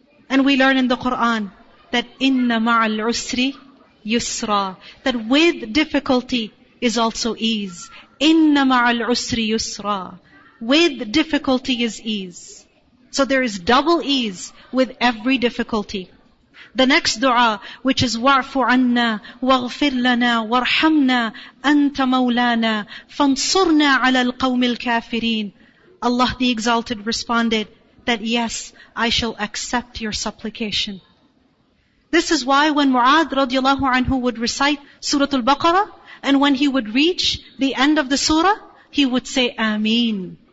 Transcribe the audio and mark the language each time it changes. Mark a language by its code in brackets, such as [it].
[en] And we learn in the Quran that [ar] inna ma'al usri yusra, [en] that with difficulty is also ease. [ar] إِنَّ مَعَ الْعُسْرِ يُسْرًا. [en] With difficulty is ease. So there is double ease with every difficulty. The next dua, which is [ar] وَعْفُ عَنَّا وَغْفِرْ لَنَا وَرْحَمْنَا أَنْتَ مَوْلَانَا فَانْصُرْنَا عَلَى الْقَوْمِ الْكَافِرِينَ. [en] Allah the Exalted responded that, yes, I shall accept your supplication. This is why when Mu'adh radiallahu anhu would recite Surah Al-Baqarah, and when he would reach the end of the surah, he would say, Ameen.